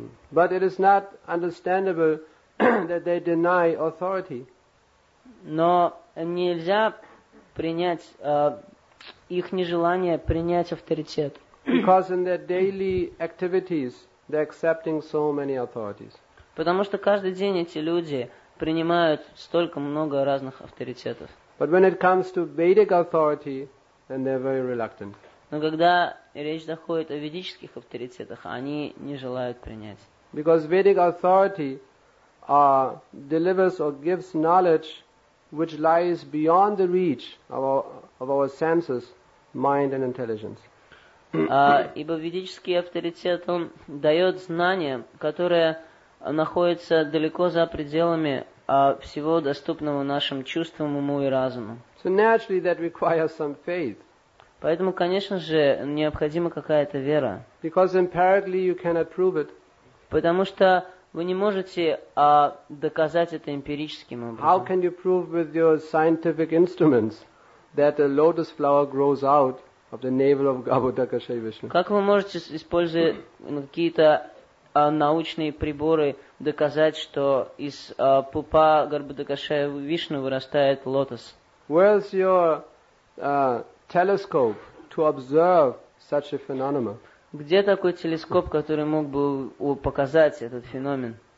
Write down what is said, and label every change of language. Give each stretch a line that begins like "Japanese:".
English: But it is not understandable that they deny authority.
Russian: Но нельзя принять их нежелание принять авторитет.
English: Because in their daily activities they're accepting so many authorities.
Russian: Потому что каждый день эти люди принимают столько много разных авторитетов.
English: But when it comes to Vedic authority, then they're very reluctant.
Russian: Но когда речь доходит о ведических авторитетах, они не желают принять.
English: Because Vedic authority delivers or gives knowledge which lies beyond the reach of our senses, mind and intelligence.
Russian: Ибо ведический авторитет, он дает знание, которое находится далеко за пределами всего доступного нашим чувствам, уму и разуму.
English: So naturally that requires some faith.
Russian: Поэтому, конечно же, необходима какая-то вера.
English: Because empirically you cannot prove it.
Russian: Потому что вы не можете доказать это эмпирическим образом.
English: How can you prove with your scientific instruments that a lotus flower grows out of the navel of Gaudiya Shri Vishnu?
Russian: Как вы можете, используя какие-то научные приборы, доказать, что из пупа Гарбхадакшая Вишну вырастает лотос?
English: Where's your telescope to observe such a phenomenon?
Russian: Где такой телескоп, который мог бы показать этот феномен?